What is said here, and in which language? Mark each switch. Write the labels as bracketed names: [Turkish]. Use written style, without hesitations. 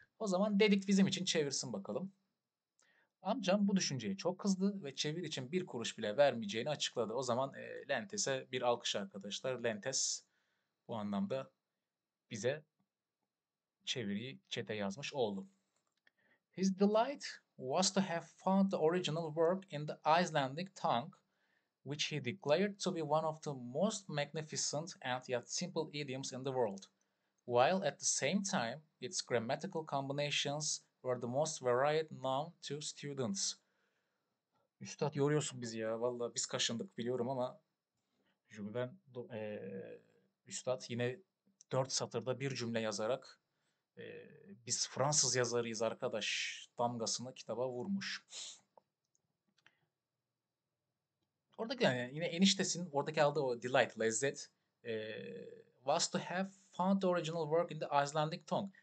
[Turkish] O zaman dedik bizim için çevirsin bakalım. Amcam bu düşünceye çok kızdı ve çevir için bir kuruş bile vermeyeceğini açıkladı. O zaman Lentes'e bir alkış arkadaşlar. Lentes bu anlamda bize çeviriyi çete yazmış oldu. [English] His delight was to have found the original work in the Icelandic tongue, which he declared to be one of the most magnificent and yet simple idioms in the world, while at the same time its grammatical combinations were the most varied known to students. [Turkish] Üstad yoruyorsun bizi ya. Vallahi biz kaşındık biliyorum ama Jüven Üstad yine dört satırda bir cümle yazarak biz Fransız yazarıyız arkadaş damgasını kitaba vurmuş. Oradaki yani yine eniştesin oradaki aldığı o delight, lezzet [English] was to have found the original work in the Icelandic tongue.